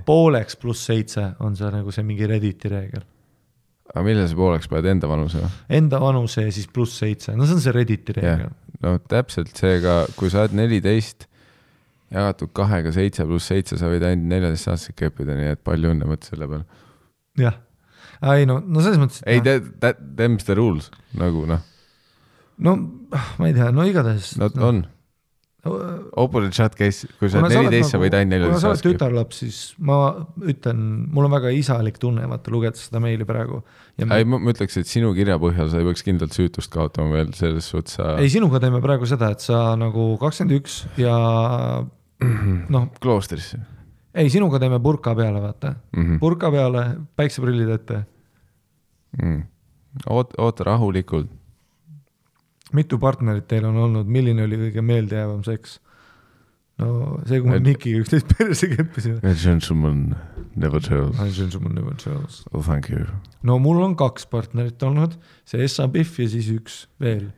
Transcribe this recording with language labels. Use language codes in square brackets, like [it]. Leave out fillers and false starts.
[et] Pooleks plus 7 on see nagu see mingi redditi reegel. Aga mille see pooleks pead enda vanuse? Enda vanuse ja siis plus 7, no see on see redditi reegel. Yeah. No täpselt see ka, kui sa oled 14 jagatud 2 7 plus 7, sa võid ainult 14 aastat keppida, nii et palju õnne mõtta selle peale. Jah, yeah. no selles mõttes... Ei, [en] that's the rules, [et] nagu noh. No, ma ei tea, no igatahes... No, no. On. [en] Open the chat case, [et] kui sa oled 14, sa võid ainult 14. Kuna sa oled tütarlaps, siis ma ütlen, mul on väga isalik tunne, vaata lugeda seda meili praegu. Ja ei, ma ütleks, et sinu kirja põhjal sa ei võiks kindlalt süütust kaotama veel selles suhtes. Ei, sinuga teeme praegu seda, et sa nagu 21 ja... no, kloostrisse. Ei, sinuga teeme purka peale, vaata. Mm-hmm. Purka peale, päikseprillid ette. Mm. Oota rahulikult. Mitu partnerit teil on olnud, milline oli kõige meelde jäävam seks? No see, kui ma Miki üksteist perse keppisin. [en] A gentleman never tells. A gentleman never tells. Oh, thank you. [et] No mul on kaks partnerit olnud, see Essa Biff ja siis üks veel.